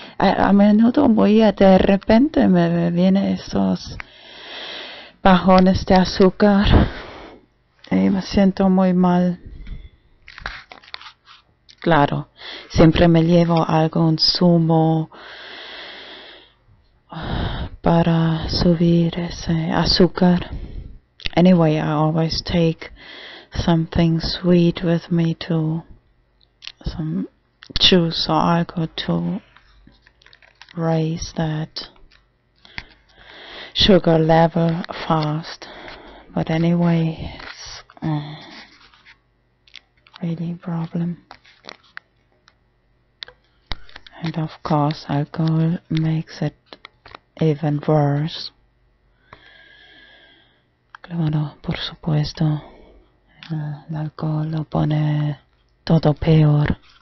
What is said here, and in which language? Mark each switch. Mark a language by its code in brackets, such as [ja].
[es] A menudo voy a de repente me vienen esos bajones de azúcar y me siento muy mal. Claro, siempre me llevo algún zumo para subir ese azúcar. [en] Anyway, I always take something sweet with me to some juice or alcohol to raise that sugar level fast. But anyway, it's really a problem. And of course, alcohol makes it even worse. [es] Claro, por supuesto, el alcohol lo pone todo peor.